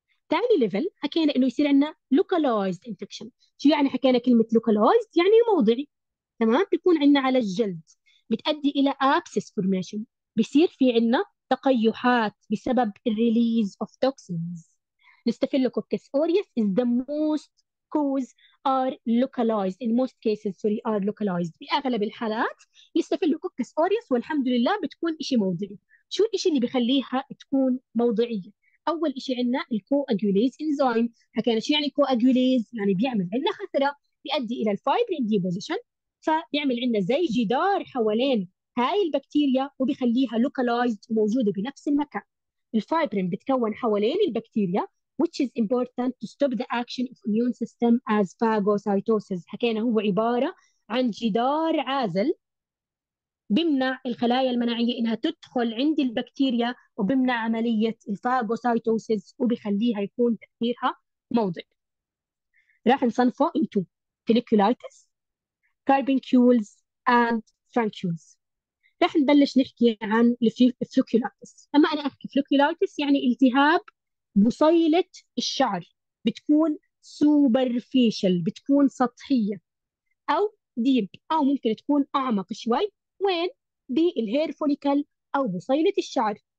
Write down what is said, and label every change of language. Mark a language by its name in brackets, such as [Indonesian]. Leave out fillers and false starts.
[Arabic] ثاني ليفل حكينا انه يصير عندنا localized infection. شو يعني حكينا كلمه localized؟ يعني موضعي. تمام؟ بيكون عندنا على الجلد، بتؤدي الى abscess formation، بيصير في عندنا تقيحات بسبب [English] release of toxins. Staphylococcus aureus is the most cause are localized in most cases sorry are localized. [Arabic] بأغلب الحالات الستافيلوكوكس اوريوس والحمد لله بتكون شيء موضعي. شو الشيء اللي بخليها تكون موضعيه؟ اول شيء عندنا الكواجوليز انزيم. حكينا شو يعني كواجوليز؟ يعني بيعمل عندنا خثره، بيؤدي الى الفايبرين ديبوزيشن، فبيعمل عندنا زي جدار حوالين هاي البكتيريا وبيخليها localized وموجوده بنفس المكان. الفايبرين بتكون حوالين البكتيريا [English] which is important to stop the action of immune system as phagocytosis. [Arabic] حكينا هو عبارة عن جدار عازل بمنع الخلايا المناعية إنها تدخل عند البكتيريا وبمنع عملية الفاغوسايتوسيس وبيخليها يكون تأثيرها موضعي. راح نصنفه [English] into folliculitis, carbuncules and frankules. [Arabic] راح نبلش نحكي عن الفلوكيولايتس. أما أنا أحكي فلوكيولايتس يعني التهاب بصيلة الشعر، بتكون سوبرفيشل، بتكون سطحية، أو ديب، أو ممكن تكون أعمق شوي، وين؟ بالهير فوليكل أو بصيلة الشعر.